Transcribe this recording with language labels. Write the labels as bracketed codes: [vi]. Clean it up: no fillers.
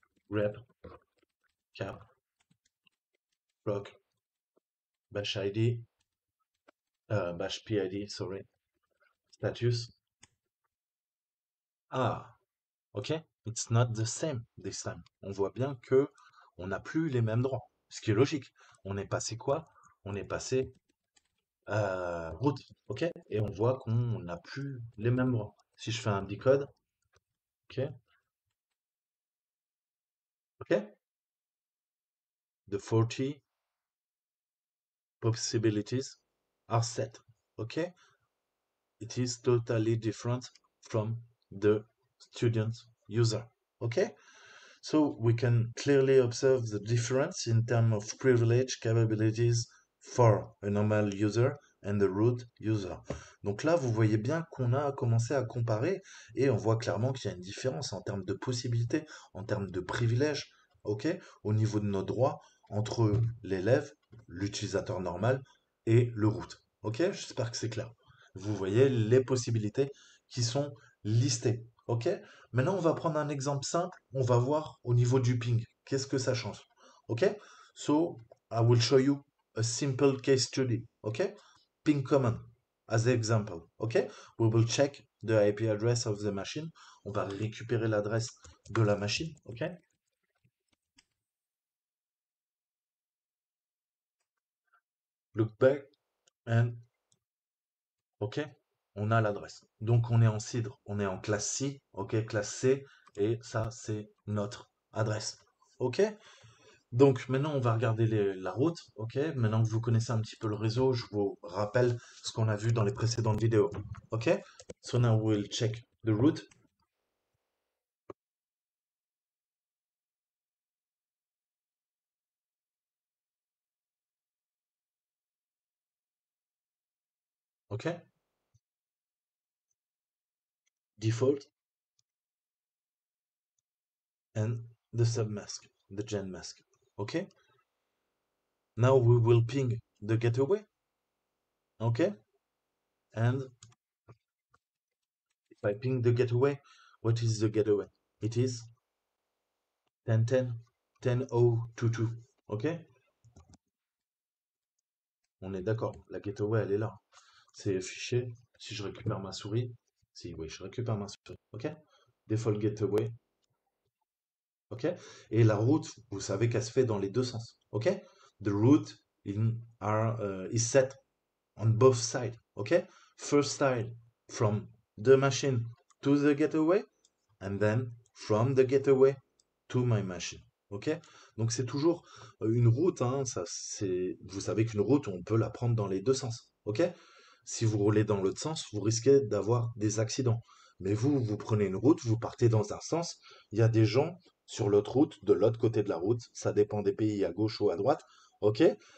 [en] Grep, cap, proc, bash ID. Bash PID, sorry. Status. Ah, ok. It's not the same this time. [fr] On voit bien que on n'a plus les mêmes droits. Ce qui est logique. On est passé quoi? On est passé route. Ok. Et on voit qu'on n'a plus les mêmes droits. Si je fais un decode. Ok. [en] Ok. The 40 possibilities. Are set, ok? It is totally different from the student user, ok? So we can clearly observe the difference in terms of privilege capabilities for a normal user and the root user. [fr] Donc là, vous voyez bien qu'on a commencé à comparer et on voit clairement qu'il y a une différence en termes de possibilités, en termes de privilèges, ok? Au niveau de nos droits entre l'élève, l'utilisateur normal et le root. Ok, j'espère que c'est clair. Vous voyez les possibilités qui sont listées. Ok, maintenant on va prendre un exemple simple. On va voir au niveau du ping, qu'est-ce que ça change. [en] Ok, so I will show you a simple case study. Ok, ping command as example. Ok, we will check the IP address of the machine. [fr] On va récupérer l'adresse de la machine. Ok. [en] Look back. And, ok, [fr] on a l'adresse. Donc on est en cidre, on est en classe C, ok, classe C, et ça c'est notre adresse. Ok, donc maintenant on va regarder la route. Ok, maintenant que vous connaissez un petit peu le réseau, je vous rappelle ce qu'on a vu dans les précédentes vidéos. [en] Ok, so now we'll check the route. OK. Default. And the submask, the gen mask. OK. Now we will ping the gateway. OK. And if I ping the gateway, what is the gateway? It is 10.10.10.0.2.2. OK. [fr] On est d'accord, la gateway elle est là. C'est fiché. Si je récupère ma souris, si oui, je récupère ma souris. OK? [en] Default gateway. [fr] OK? Et la route, vous savez qu'elle se fait dans les deux sens. [en] OK? The route is set on both sides. OK? First side from the machine to the gateway and then from the gateway to my machine. Okay? [fr] Donc c'est toujours une route, hein, ça, c'est, vous savez qu'une route, on peut la prendre dans les deux sens. Okay? Si vous roulez dans l'autre sens, vous risquez d'avoir des accidents. Mais vous, vous prenez une route, vous partez dans un sens, il y a des gens sur l'autre route, de l'autre côté de la route, ça dépend des pays, à gauche ou à droite. Okay?